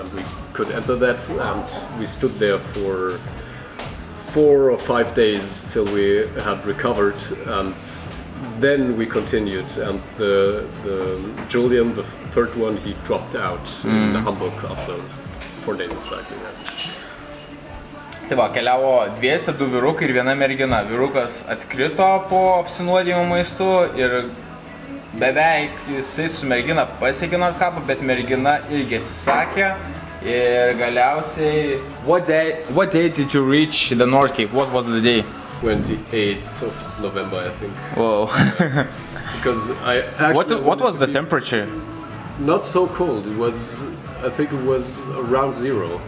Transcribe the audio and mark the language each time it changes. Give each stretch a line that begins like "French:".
English: And we could enter that and we stood there for 4 or 5 days till we had recovered, and then we continued. And the Julian, the third one, he dropped out in Hamburg after 4 days of cycling.
Lithuanian: Tai va, keliavo dviese, du vyrukai ir viena mergina. Vyrukas atkrito po apsinuodijimo maistu ir beveik jisai su mergina pasiekė Nordkapą, bet mergina irgi atsisakė. Ir galiausiai...
English: What day did you reach the North Cape? What was the day? 28th of November, I think. Whoa. Because I actually... What was the temperature? Not so cold. It was... I think it was around zero.